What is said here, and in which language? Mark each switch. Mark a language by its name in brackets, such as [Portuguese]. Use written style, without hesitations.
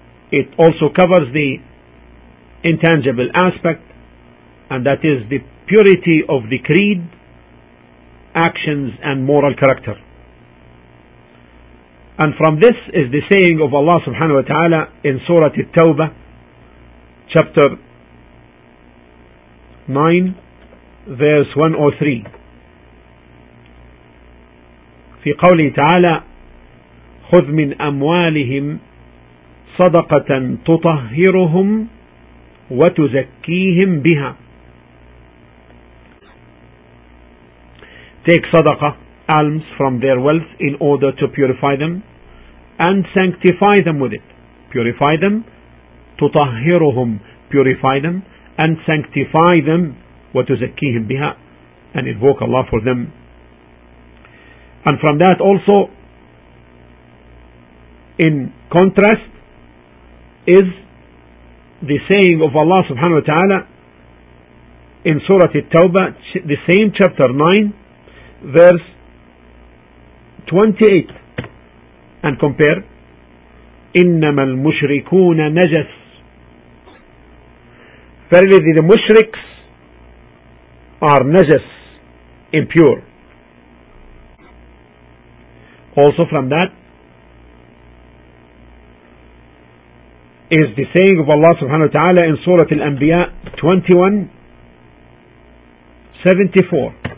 [English] It also covers the intangible aspect, and that is the purity of the creed, actions, and moral character. And from this is the saying of Allah subhanahu wa ta'ala in Surah At-Tawbah, chapter 9, verse 103. [Arabic] في قوله تعالى خذ من أموالهم صدقة تطهرهم وتزكيهم بها. [English] Take sadaqa, alms, from their wealth in order to purify them and sanctify them with it. Purify them, [Arabic] تطهرهم, [English] purify them and sanctify them, [Arabic] وتزكيهم بها, [English] and invoke Allah for them. And from that also, in contrast, is the saying of Allah subhanahu wa ta'ala in Surah At-Tawbah, the same chapter 9, verse 28. And compare, [Arabic] إِنَّمَا الْمُشْرِكُونَ نَجَسْ. [English] Verily the mushriks are najas, impure. Also from that is the saying of Allah subhanahu wa ta'ala in Surah Al-Anbiya 21:74.